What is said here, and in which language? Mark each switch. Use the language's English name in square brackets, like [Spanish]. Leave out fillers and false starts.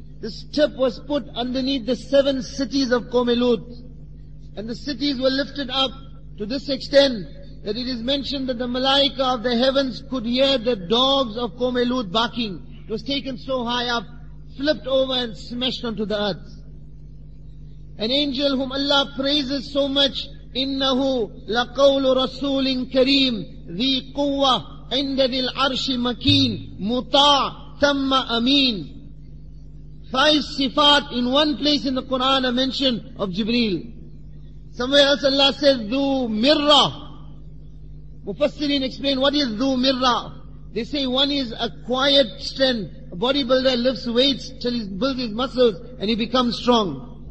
[English] This tip was put underneath the seven cities of Qawme Lut. And the cities were lifted up to this extent that it is mentioned that the malaika of the heavens could hear the dogs of Qawme Lut barking. It was taken so high up, flipped over and smashed onto the earth. An angel whom Allah praises so much, [Arabic] إِنَّهُ لَقَوْلُ رَسُولٍ كَرِيمٍ ذِي قُوَّةٍ عِنْدَ ذِي الْعَرْشِ مَكِينٍ مُطَاعٍ ثَمَّ أَمِينٍ. [English] Five sifat in one place in the Quran are mentioned of Jibreel. Somewhere else Allah says, ذُو مِرَّةٍ. Mufassirin explain, what is dhu mirra? They say one is a quiet strength. A bodybuilder lifts weights till he builds his muscles and he becomes strong.